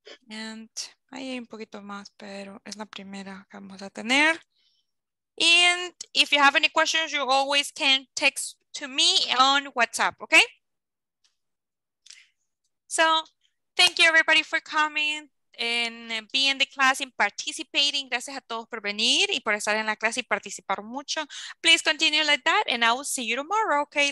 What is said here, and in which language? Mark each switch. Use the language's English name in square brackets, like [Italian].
[Spanish] And hay un poquito más, pero es la primera que vamos a tener. [English] And if you have any questions, you always can text to me on WhatsApp, okay? So thank you everybody for coming and being in the class and participating. [Spanish] Gracias a todos por venir y por estar en la clase y participar mucho. [English] Please continue like that and I will see you tomorrow, okay?